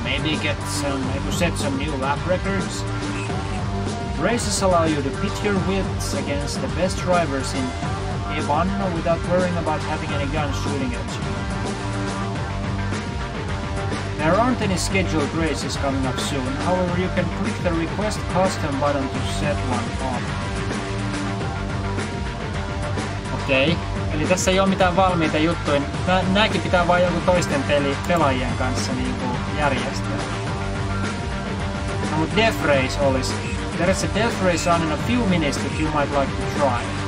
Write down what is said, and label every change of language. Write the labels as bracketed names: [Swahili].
[English] Maybe get some, maybe set some new lap records? Races allow you to pit your wits against the best drivers in Ebon without worrying about having any guns shooting at you. There aren't any scheduled races coming up soon, however you can click the request custom button to set one on. Okay. [Finnish] Eli tässä ei ole mitään valmiita juttuja. Nääkin pitää vain joku toisten pelaajien kanssa niin kuin järjestää. No, mutta Death Race olisi. [English] There is a Death Race on in a few minutes that you might like to try.